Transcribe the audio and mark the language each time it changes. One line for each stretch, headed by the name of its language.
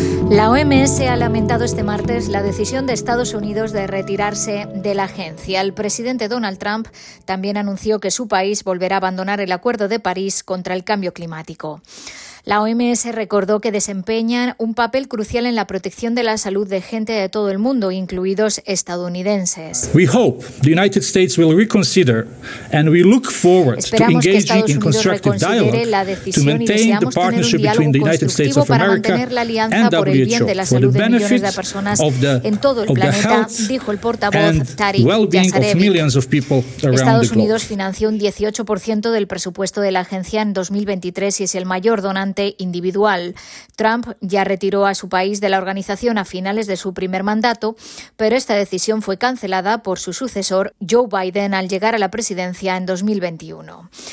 Spanish: La OMS ha lamentado este martes la decisión de Estados Unidos de retirarse de la agencia. El presidente Donald Trump también anunció que su país volverá a abandonar el Acuerdo de París contra el cambio climático. La OMS recordó que desempeñan un papel crucial en la protección de la salud de gente de todo el mundo, incluidos estadounidenses.
English: We hope the United States will reconsider and we look forward to engaging in constructive dialogue to maintain the partnership between the United States of America and WHO for the benefit of the health and well-being of millions of people around the globe.
Spanish: Estados Unidos financió un 18% del presupuesto de la agencia en 2023 y es el mayor donante individual. Trump ya retiró a su país de la organización a finales de su primer mandato, pero esta decisión fue cancelada por su sucesor, Joe Biden, al llegar a la presidencia en 2021.